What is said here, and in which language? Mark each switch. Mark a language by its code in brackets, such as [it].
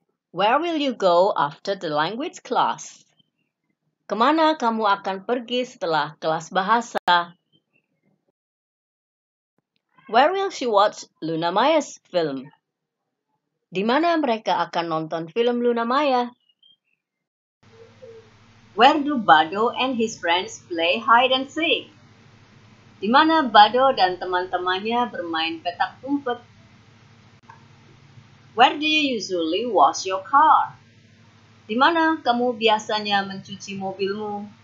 [en] Where will you go after the language class? [id] Kemana kamu akan pergi setelah kelas bahasa? [en] Where will she watch Luna Maya's film? [id] Di mana mereka akan nonton film Luna Maya? [en] Where do Bado and his friends play hide and seek? [id] Di mana Bado dan teman-temannya bermain petak umpet? [en] Where do you usually wash your car? [id] Di mana kamu biasanya mencuci mobilmu?